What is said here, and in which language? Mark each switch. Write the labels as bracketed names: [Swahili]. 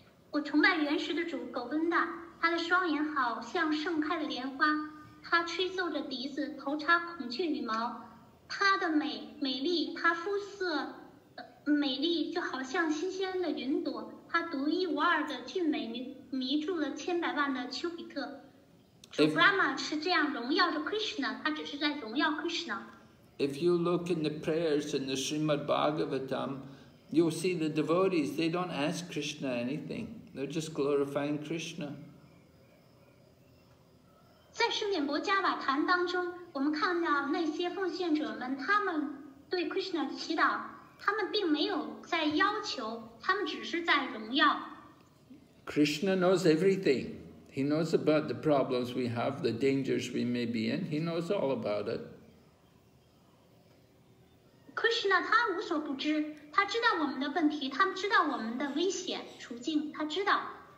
[Chinese] 我崇拜原始的主狗温达，他的双眼好像盛开的莲花，他吹奏着笛子，头插孔雀羽毛，他的美丽，他肤色美丽就好像新鲜的云朵，他独一无二的俊美迷住了千百万的丘比特。主 Brahma 是这样荣耀着 Krishna， 他只是在荣耀 Krishna。 [English] If you look in the prayers in the Srimad Bhagavatam. You'll see the devotees, they don't ask Krishna anything. They're just glorifying Krishna. [Chinese] 在圣典伯加瓦坛当中，我们看到那些奉献者们，他们对 Krishna 的祈祷，他们并没有在要求，他们只是在荣耀。 [English] Krishna knows everything. He knows about the problems we have, the dangers we may be in. He knows all about it. [Chinese] Krishna 他无所不知，他知道我们的问题，他知道我们的危险处境，他知道。